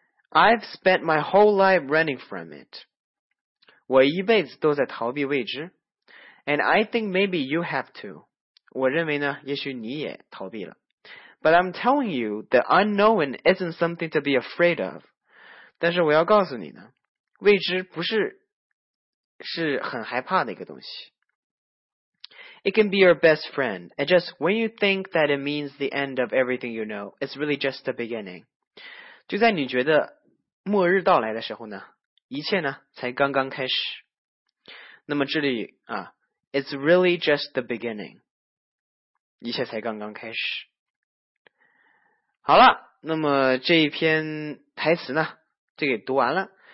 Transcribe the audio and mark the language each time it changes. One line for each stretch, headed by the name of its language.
English: I've spent my whole life running from it.
Chinese: 我一辈子都在逃避未知。
English: And I think maybe you have too.
Chinese: 我认为呢，也许你也逃避了。
English: But I'm telling you, the unknown isn't something to be afraid of.
Chinese: 但是我要告诉你呢，未知不是，是很害怕的一个东西。
English: It can be your best friend. And just when you think that it means the end of everything you know, it's really just the beginning.
Chinese: 就在你觉得末日到来的时候呢，一切呢才刚刚开始。那么这里啊 ，
English: It's really just the beginning，
Chinese: 一切才刚刚开始。好了，那么这一篇台词呢，就给读完了。